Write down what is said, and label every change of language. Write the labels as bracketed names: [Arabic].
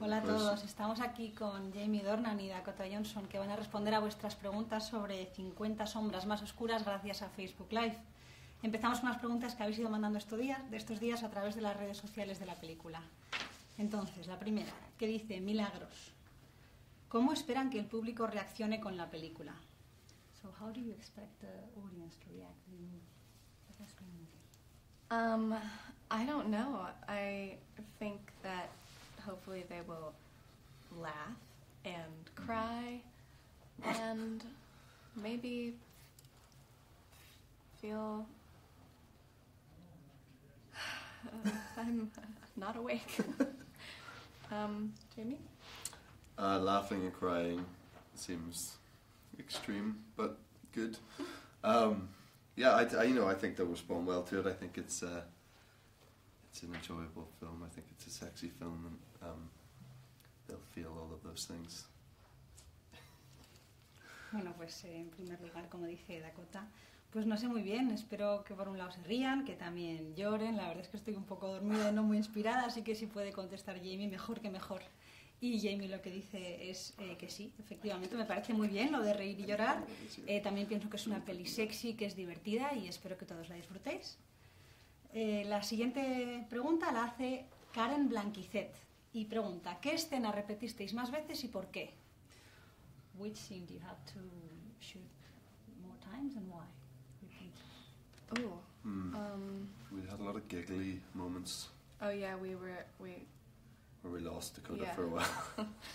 [Spanish] Hola a todos, estamos aquí con Jamie Dornan y Dakota Johnson, que van a responder a vuestras preguntas sobre 50 sombras más oscuras gracias a Facebook Live. Empezamos con las preguntas que habéis ido mandando estos días a través de las redes sociales de la película. Entonces, la primera, que dice Milagros. ¿Cómo esperan que el público reaccione con la película? [English] So how do you expect the audience to react to the movie? I don't know. I think that hopefully they will laugh and cry and maybe feel I'm not awake. Jamie? Laughing and crying seems extreme, but good. I think they'll respond well to it. I think it's an enjoyable film. I think it's a sexy film, and they'll feel all of those things. [Spanish] Bueno, pues en primer lugar, como dice Dakota, pues no sé muy bien, espero que por un lado se rían, que también lloren. La verdad es que estoy un poco dormida y no muy inspirada, así que si puede contestar Jamie, mejor que mejor. Y Jamie lo que dice es que sí, efectivamente, me parece muy bien lo de reír y llorar. También pienso que es una peli sexy, que es divertida y espero que todos la disfrutéis. La siguiente pregunta la hace Karen Blanquizet y pregunta, ¿qué escena repetisteis más veces y por qué? [English] Which scene do you have to shoot more times and why? We had a lot of giggly moments. Oh yeah, we lost Dakota for a while.